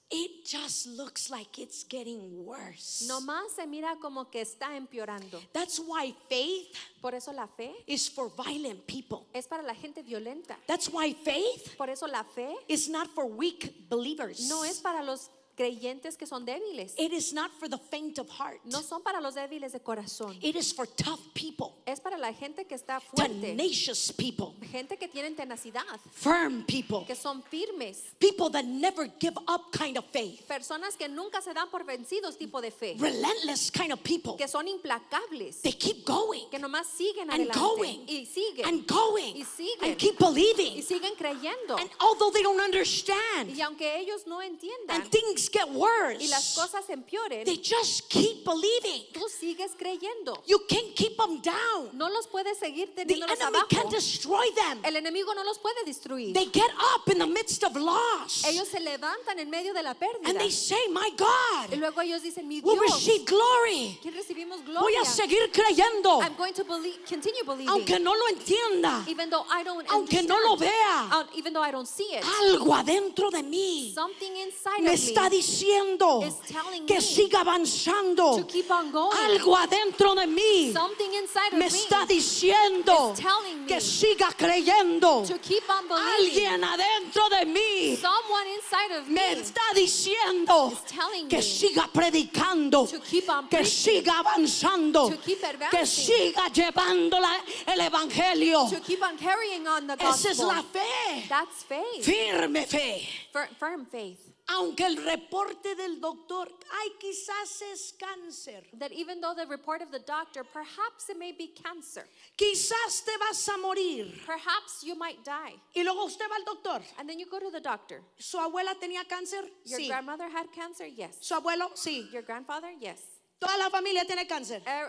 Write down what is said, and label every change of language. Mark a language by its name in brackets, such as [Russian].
[English] it just looks like it's getting worse. [Spanish] No más se mira como que está empeorando. [English] That's why faith, [Spanish] por eso la fe, [English] is for violent people. [Spanish] Es para la gente violenta. [English] That's why faith, [Spanish] por eso la fe, [English] is not for weak believers. [Spanish] No es para los creyentes que son débiles. [English] It is not for the faint of heart. [Spanish] No son para los débiles de corazón. [English] It is for tough people. [Spanish] Es para la gente que está fuerte. [English] Tenacious people. [Spanish] Gente que tienen tenacidad. [English] Firm people. [Spanish] Que son firmes. [English] People that never give up kind of faith. [Spanish] Personas que nunca se dan por vencidos tipo de fe. [English] Relentless kind of people. [Spanish] Que son implacables. [English] They keep going. [Spanish] Que nomás siguen adelante. [English] Going. [Spanish] Y siguen. [English] And going. [Spanish] Y siguen. [English] And keep believing. [Spanish] Y siguen creyendo. [English] And although they don't understand. [Spanish] Y aunque ellos no entiendan. [English] And things get worse. [Spanish] Y las cosas empeoren. [English] They just keep believing. [Spanish] Tú sigues creyendo. [English] You can't keep them down. [Spanish] No los puedes seguir teniéndolos abajo. [English] The enemy can't destroy them. [Spanish] El enemigo no los puede destruir. [English] They get up in the midst of loss. [Spanish] Ellos se levantan en medio de la pérdida. [English] And they say, "My God." [Spanish] Y luego ellos dicen, "Mi Dios." [English] We'll receive glory. [Spanish] ¿Quién recibimos gloria? Voy a seguir creyendo. [English] I'm going to believe, continue believing. [Spanish] Aunque no lo entienda. [English] Even though I don't [Spanish] aunque [English] understand. [Spanish] No lo vea. [English] Even though I don't see it. [Spanish] Algo adentro de mí. [English] Something inside of me. [Spanish] Diciendo que siga avanzando. Algo adentro de mí me está diciendo que siga creyendo. Alguien adentro de mí me está diciendo que siga predicando, que siga avanzando, que siga llevando el evangelio. Esa es la fe. Firme fe. [English] Firm faith. [Spanish] Aunque el reporte del doctor, ay, quizás es cáncer. [English] That even though the report of the doctor, perhaps it may be cancer. [Spanish] Quizás te vas a morir. [English] Perhaps you might die. [Spanish] Y luego usted va al doctor. [English] And then you go to the doctor. [Spanish] ¿Su abuela tenía cáncer? [English] Sí. Your grandmother had cancer? Yes. [Spanish] ¿Su abuelo? Sí. [English] Your grandfather? Yes. [Spanish] Toda la familia tiene cáncer.